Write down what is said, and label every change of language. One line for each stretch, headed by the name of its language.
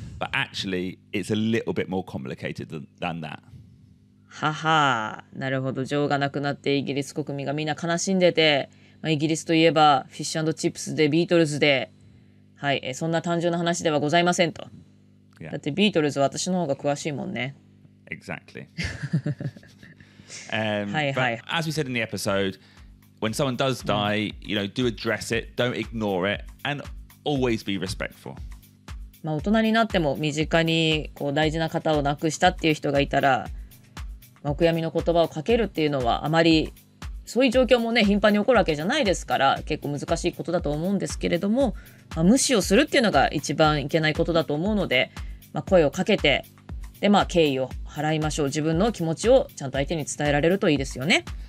English: But actually, it's a little bit more complicated than that.
Japanese: ははなるほど。女王が亡くなってイギリス国民がみんな悲しんでて、まあ、イギリスといえばフィッシュ&チップスでビートルズで、はい、そんな単純な話ではございませんと、
English: yeah.
Japanese: だってビートルズは私の方が詳しいもんね。
English: Exactly.
Japanese: はいはい。
English: But as we said in the episode, when someone does die, you know, do address it, don't ignore it, and always be respectful.
Japanese: まあ大人になっても身近にこう大事な方を亡くしたっていう人がいたら、お悔やみの言葉をかけるっていうのはあまりそういう状況もね頻繁に起こるわけじゃないですから結構難しいことだと思うんですけれども、まあ、無視をするっていうのが一番いけないことだと思うので、まあ、声をかけてでまあ敬意を払いましょう。自分の気持ちをちゃんと相手に伝えられるといいですよね。